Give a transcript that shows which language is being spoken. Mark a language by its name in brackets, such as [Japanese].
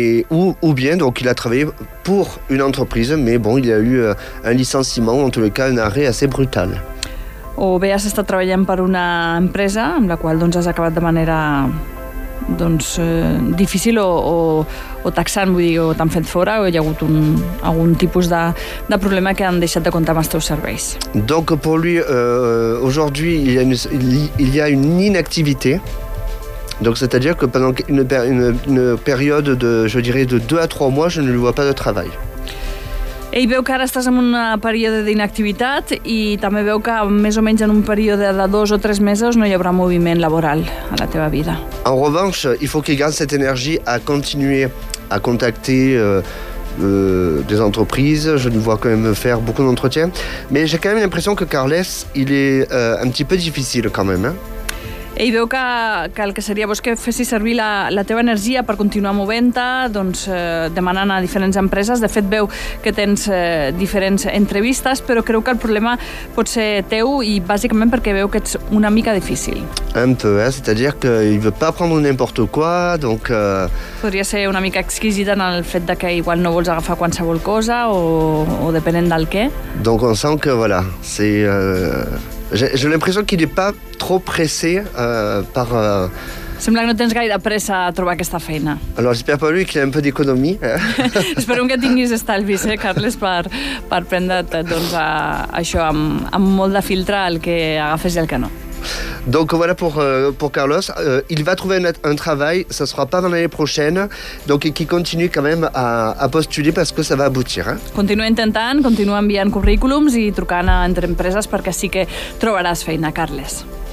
[French] Ou bien donc il a travaillé pour une entreprise mais bon, il y a eu un licenciement, en tout cas un arrêt assez brutal. [Catalan] O bé has estat treballant per una empresa amb la qual doncs has acabat de manera doncs difícil o taxant, vull dir, o t'han fet fora o hi ha hagut algun tipus de problema que han deixat de comptar amb els teus serveis. [French] Donc pour lui aujourd'hui il y a une inactivité. Donc c'est-à-dire que pendant une période de je dirais de 2 à 3 mois, je ne lui vois pas de travail. [Catalan] Ell veu que ara estàs en un període d'inactivitat i també veu que més o menys en un període de 2 o 3 mesos no hi haurà moviment laboral a la teva vida. [French] En revanche, il faut qu'il garde cette énergie à continuer à contacter des entreprises. Je le vois quand même faire beaucoup d'entretiens. Mais j'ai quand même l'impression que Carles, il est un petit peu difficile quand même. Hein? [Catalan] Ell veu que el que seria bo és que fessis servir la teva energia per continuar movent-te, doncs, demanant a diferents empreses. De fet, veu que tens diferents entrevistes, però creu que el problema pot ser teu i bàsicament perquè veu que ets una mica difícil. [French] Un peu, c'est-à-dire que il veut pas prendre n'importe quoi, donc... [Catalan] Podria ser una mica exquisit en el fet de que igual no vols agafar qualsevol cosa o depenent del què. [French] Donc on sent que, voilà, c'est... J'ai l'impression qu'il n'est pas trop pressé par... [Catalan] Sembla que no tens gaire pressa a trobar aquesta feina. [French] Alors, j'espère pas lui qu'il y a un peu d'économie. [Catalan] Esperem que tinguis estalvis, Carles, per prendre't doncs, això amb molt de filtre el que agafes i el que no. [French] Donc voilà pour Carlos, il va trouver un travail, ça sera pas dans l'année prochaine, donc qui continue quand même à postuler parce que ça va aboutir. Hein? [Catalan] Continue intentant, continue enviant curriculums i trucant entre empreses perquè sí que trobaràs feina, Carles.